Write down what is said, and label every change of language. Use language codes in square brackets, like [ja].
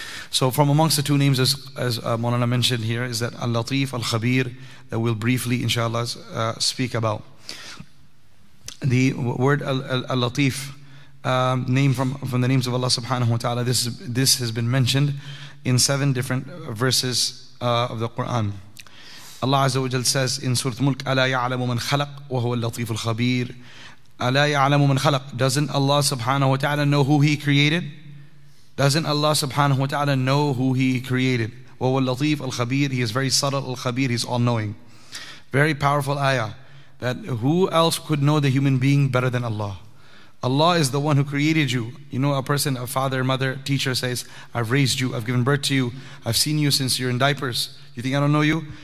[en] So from amongst the two names, as Mawlana mentioned here, is that Al-Latif, Al-Khabir, that we'll briefly, inshallah, speak about. The word Al-Latif, name from the names of Allah subhanahu wa ta'ala, this has been mentioned in seven different verses of the Qur'an. Allah Azza wa Jal says in Surah Mulk, [ar] أَلَا يَعْلَمُ مَنْ خَلَقْ وَهُوَ اللَّطِيفُ الْخَبِيرُ أَلَا يَعْلَمُ مَنْ خَلَقْ. [en] Doesn't Allah subhanahu wa ta'ala know who He created? Doesn't Allah subhanahu wa ta'ala know who He created? [ar] وَهُوَ اللَّطِيفُ الْخَبِيرُ. [en] He is very subtle, Al-Khabir, He's all-knowing. Very powerful ayah, that who else could know the human being better than Allah? Allah is the one who created you. You know, a person, a father, mother, teacher says, I've raised you, I've given birth to you, I've seen you since you're in diapers. You think I don't know you?